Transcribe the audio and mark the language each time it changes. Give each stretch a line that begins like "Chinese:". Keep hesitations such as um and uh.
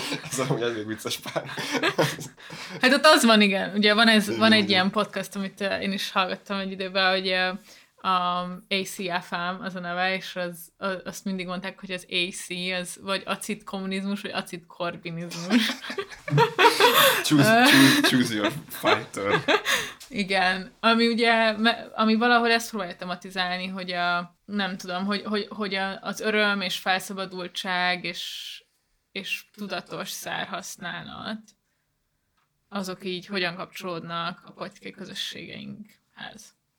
Hungarian: Ez amúgy elég vicces pár. Hát ott az van, igen. Ugye van, ez, van egy Igen. ilyen podcast, amit ö, én is hallgattam egy időben, hogy ö, a ACFM az a neve, és az, a, azt mindig mondták, hogy az AC, az vagy acid kommunizmus, vagy acid korbinizmus.
English: Choose, choose, choose your fighter.
Hungarian: Igen, ami ugye, me- ami valahol ezt próbálja tematizálni, hogy a, nem tudom, hogy, hogy, hogy a, az öröm és felszabadultság és, és tudatos szárhasználat, azok így hogyan kapcsolódnak a politikai közösségeinkhez.